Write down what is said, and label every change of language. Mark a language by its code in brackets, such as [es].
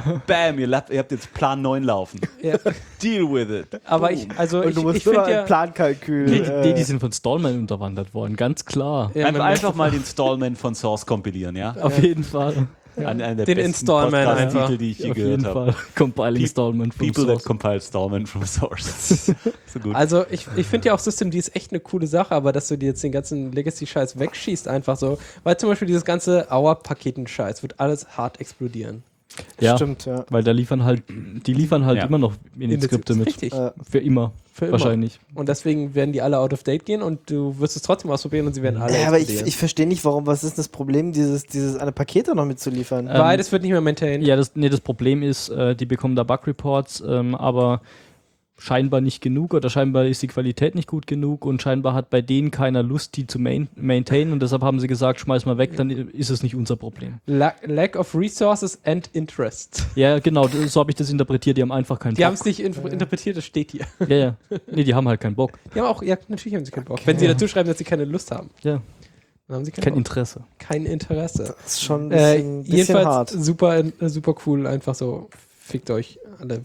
[de] bam, ihr habt jetzt Plan 9 laufen. [en] Yeah. Deal with it. [de] Aber boom. Ich finde ja... Plankalkül. Die sind von Stallman unterwandert worden, ganz klar. Ja, einfach mal den Stallman von Source kompilieren, ja? Auf jeden Fall. Ja. Den Installment Titel, die ich hier gehört habe. Auf jeden Fall. [en] Compiling Stallman from Source. People that compile Stallman from Source. [de] So gut. Also ich finde ja auch SystemD ist echt eine coole Sache, aber dass du dir jetzt den ganzen Legacy-Scheiß wegschießt einfach so, weil zum Beispiel dieses ganze Auer-Paketen-Scheiß wird alles hart explodieren. Ja, stimmt, ja. Weil da liefern halt immer noch Init-Skripte mit. Richtig. Für immer. Für wahrscheinlich. Immer. Und deswegen werden die alle [en] out of date [de] gehen und du wirst es trotzdem ausprobieren und sie werden alle. Ja, aber ich verstehe nicht, warum. Was ist das Problem, dieses eine Pakete noch mitzuliefern? Weil das wird nicht mehr maintained. Ja, das Problem ist, die bekommen da Bug-Reports, aber scheinbar nicht genug oder scheinbar ist die Qualität nicht gut genug und scheinbar hat bei denen keiner Lust, die zu maintainen und deshalb haben sie gesagt, schmeiß mal weg, dann ist es nicht unser Problem. [en] Lack of resources and interest. [de] Ja, genau, so habe ich das interpretiert, die haben einfach keinen die Bock. Die haben es nicht interpretiert, das steht hier. Ja, ja. Nee, die haben halt keinen Bock. Die haben auch, ja, natürlich haben sie keinen Bock. Okay. Wenn sie dazu schreiben, dass sie keine Lust haben. Ja. Dann haben sie kein Interesse. Kein Interesse. Das ist schon ein bisschen hart. Jedenfalls super, super cool, einfach so. Fickt euch alle.